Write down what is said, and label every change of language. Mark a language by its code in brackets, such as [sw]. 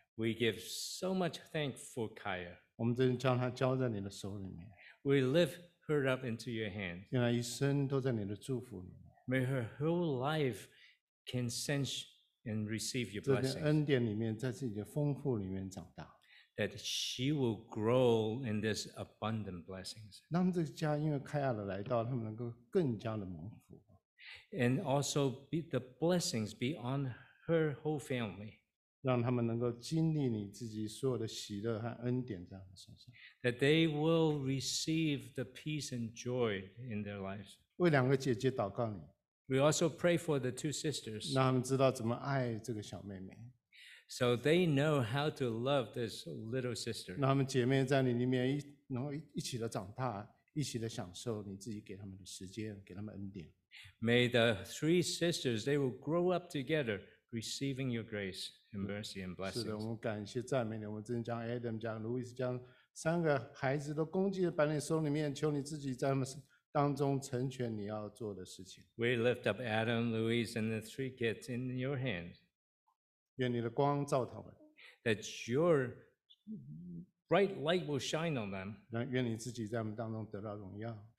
[en] We give so much thanks for Kaya. [zh] 我们真将她交在你的手里面。 [en] We lift her up into your hands. [zh] 愿她一生都在你的祝福里面。 [en] May her whole life can sense. And receive your blessings. [zh] 在恩典里面，在自己的丰富里面长大。 [en] That she will grow in this abundant blessings. [zh] 那么这个家因为凯亚的来到，他们能够更加的蒙福。 [en] And also the blessings be on her whole family. [zh] 让他们能够经历你自己所有的喜乐和恩典在他们身上。 [en] That they will receive the peace and joy in their lives. [zh] 为两个姐姐祷告你。 [en] We also pray for the two sisters. [zh] 让他们知道怎么爱这个小妹妹。 [en] So they know how to love this little sister. [zh] 让他们姐妹在你里面一起的长大，一起的享受你自己给他们的时间，给他们恩典。 [en] May the three sisters they will grow up together, receiving your grace and mercy and blessings. [zh] 是的，我们感谢赞美你，我们真将 Adam 将 Louis 将三个孩子都恭敬的摆在手里面，求你自己在他们。当中成全你要做的事情。 [en] We lift up Adam, Louise, and the three kids in your hands. [zh] 愿你的光照他们。 [en] That your bright light will shine on them. [zh] 愿你自己在他们当中得到荣耀。